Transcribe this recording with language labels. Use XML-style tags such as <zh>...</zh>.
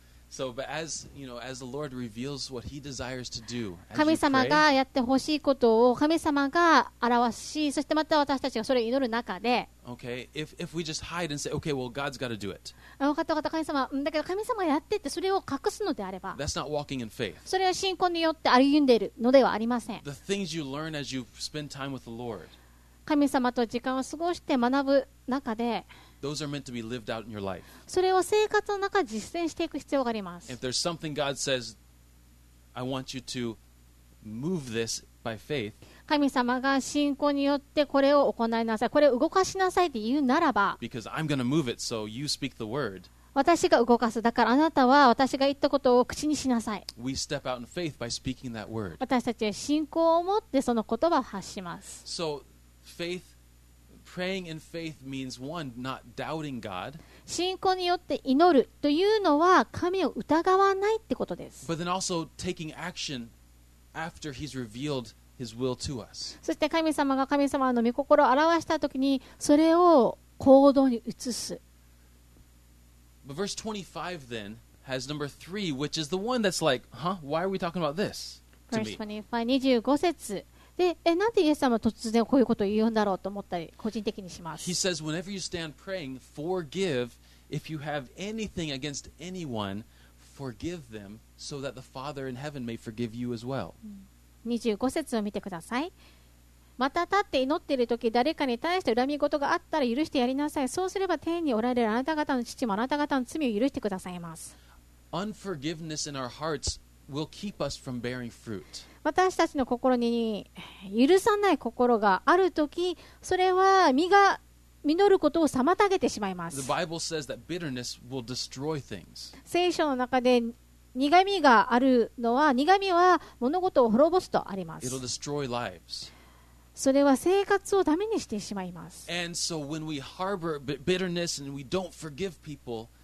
<en>So, but as you know, as the Lord reveals what He desires to do, as you pray,</en> <ja>神様がやってほしいことを神様が表し、そしてまた私たちがそれを祈る中で、</ja> <en>okay, if we just hide and say, okay, well, God's got to do it.</en> <ja>分かった分かった神様、だけど神様やってってそれを隠すのであれば、</ja> <en>that's not walking in faith.</en> <ja>それは信仰によって歩んでいるのではありません。</ja> <en>The things you learn as you spend time with the Lord.</en> <ja>神様と時間を過ごして学ぶ中で。</ja> <en>Those are meant to be lived out in your life.</en> <ja>それを生活の中で実践していく必要があります。</ja> <en>If there's something God says, I want you to move this by faith.</en> <ja>神様が信仰によってこれを行いなさい、これを動かしなさいって言うならば、</ja> <en>Because I'm going to move it, so you speak the word.</en> <ja>私が動かす、だからあなたは私が言ったことを口にしなさい。</ja> <en>We step out in faith by speaking that word.</en> <ja>私たちは信仰を持ってその言葉を発します。</ja> <en>So, faith. Praying in faith means one, not doubting God.</en> <ja>信仰によって祈るというのは神を疑わないってことです。</ja> <en>But then also taking action after He's revealed His will to us.</en> <ja>そして神様が神様の御心を表したときにそれを行動に移す。</ja> <en>But verse 25 then has number 3, which is the one that's like, huh? Why are we talking about this? Verse 25,</en> <ja>25節。でなんでイエス様は突然こういうことを言うんだろうと思ったり個人的にします。</ja> <en>He says whenever you stand praying forgive if you have anything against anyone forgive them so that the Father in heaven may forgive you as well.</en> <ja>25節を見てください。また立って祈っているとき誰かに対して恨み事があったら許してやりなさい。そうすれば天におられるあなた方の父もあなた方の罪を許してくださいます。</ja> <en>Unforgiveness in our hearts will keep us from bearing fruit.</en> <ja>私たちの心に許さない心があるとき、それは実が実ることを妨げてしまいます。</ja> <en>The Bible says that bitterness will destroy things.</en> <ja>聖書の中で苦味があるのは、苦味は物事を滅ぼすとあります。</ja> <en>It'll destroy lives.</en> <ja>それは生活をダメにしてしまいます。</ja> <en>And so when we harbor bitterness and we don't forgive people,</en>